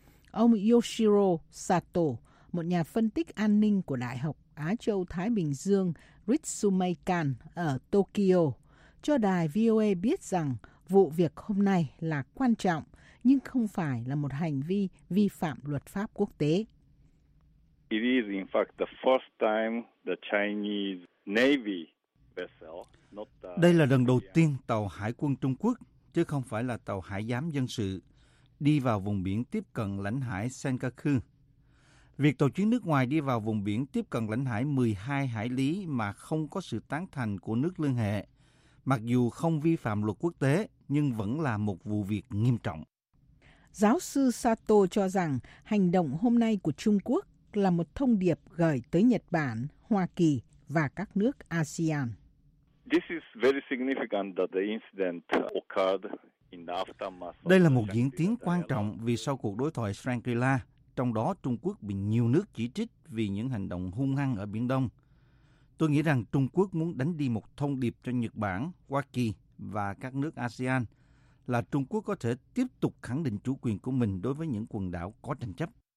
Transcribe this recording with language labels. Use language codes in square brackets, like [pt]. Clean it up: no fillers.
[vi] Ông Yoshiro Sato, một nhà phân tích an ninh của Đại học Á Châu Thái Bình Dương Ritsumeikan ở Tokyo, cho đài VOA biết rằng vụ việc hôm nay là quan trọng, nhưng không phải là một hành vi vi phạm luật pháp quốc tế. [en] It is in fact the first time the Chinese Navy vessel. [vi] Đây là lần đầu tiên tàu hải quân Trung Quốc, chứ không phải là tàu hải giám dân sự, đi vào vùng biển tiếp cận lãnh hải Senkaku. Việc tàu chiến nước ngoài đi vào vùng biển tiếp cận lãnh hải 12 hải lý mà không có sự tán thành của nước liên hệ, mặc dù không vi phạm luật quốc tế, nhưng vẫn là một vụ việc nghiêm trọng. Giáo sư Sato cho rằng hành động hôm nay của Trung Quốc là một thông điệp gửi tới Nhật Bản, Hoa Kỳ và các nước ASEAN. [en] This is very significant that the incident occurred in the aftermath. [vi] Đây là một diễn tiến quan trọng vì sau cuộc đối thoại Shangri-La, trong đó Trung Quốc bị nhiều nước chỉ trích vì những hành động hung hăng ở Biển Đông. Tôi nghĩ rằng Trung Quốc muốn đánh đi một thông điệp cho Nhật Bản, Hoa Kỳ và các nước ASEAN là Trung Quốc có thể tiếp tục khẳng định chủ quyền của mình đối với những quần đảo có tranh chấp.